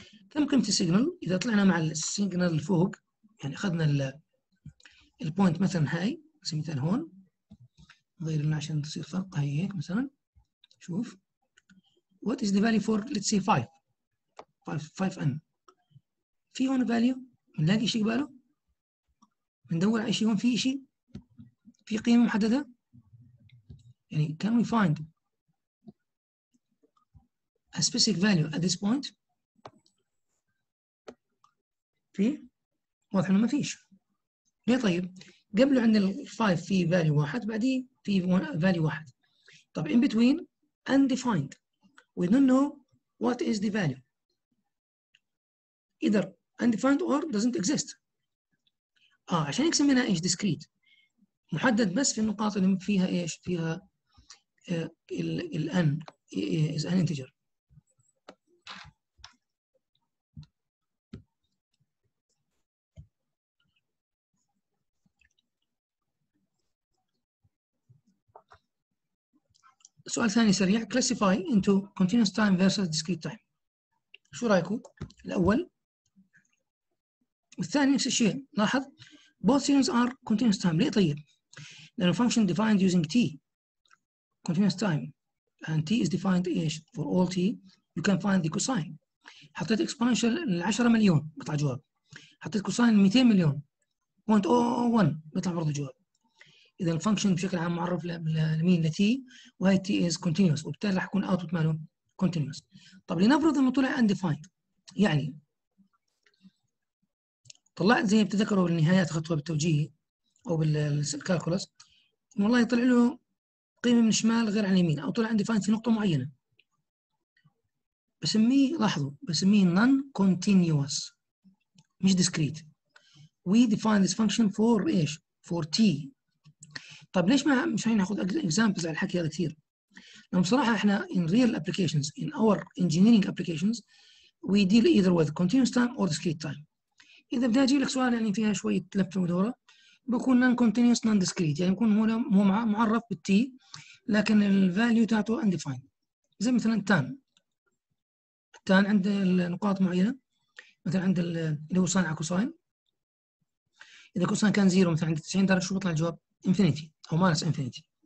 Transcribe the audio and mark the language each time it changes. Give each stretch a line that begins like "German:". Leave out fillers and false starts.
Arabic: كم قيمة السيجنال إذا طلعنا مع السيجنال اللي فوق يعني أخذنا البوينت مثلا هاي مثلا هون نغير لنا عشان تصير فرق هاي هيك مثلا شوف
English: what is the value for let's say 5 5n
Arabic: في هون value بنلاقي شيء قباله بندور على شيء هون في شيء في قيمة محددة يعني
English: can we find a specific value at this point
Arabic: في واضح انه ما فيش. ليه؟ طيب قبل عند الفايف في فاليو واحد، بعدي في فاليو واحد. طب
English: in between undefined. We don't know what is the value. Either undefined or doesn't exist.
Arabic: عشان يقسم منها ايش ديسكريت. محدد بس في النقاط اللي فيها ايش؟ فيها ال n is an integer. سؤال ثاني سريع،
English: classify into continuous time versus discrete time.
Arabic: شو رايكم؟ الأول والثاني نفس الشيء، لاحظ
English: both things are continuous time.
Arabic: ليه طيب؟ لأن
English: function defined using t continuous time and t is defined ايش؟ for all t you can find the cosine.
Arabic: حطيت exponential 10 مليون بيطلع جواب، حطيت cosine 200 مليون 0.001 بيطلع برضه جواب. إذا الفانكشن بشكل عام معرف لمين؟ لـ t، وهي t is continuous، وبالتالي راح يكون output ماله continuous. طب لنفرض انه طلع undefined، يعني طلعت زي ما بتذكروا بالنهايات خطوه بالتوجيه او بالكالكولس، والله طلع له قيمه من الشمال غير عن اليمين، او طلع undefined في نقطه معينه، بسميه، لاحظوا، بسميه non continuous مش discrete.
English: We define this function for ايش؟ for t.
Arabic: طيب ليش ما مش هين ناخذ اكزامبلز على الحكي هذا كثير؟ لانه بصراحه احنا
English: in real applications in our engineering applications we deal either with continuous time or discrete time.
Arabic: اذا بدي اجيب لك سؤال يعني فيها شويه لفه ودوره، بكون non continuous non discrete، يعني بكون هنا مو معرف بالتي لكن الفاليو تاعته undefined. زي مثلا التان، التان عند النقاط معينه، مثلا عند اللي هو صانع كوساين، اذا كوساين كان زيرو مثلا عند 90 درجه شو بيطلع الجواب؟ انفينيتي او ماينس انفينيتي.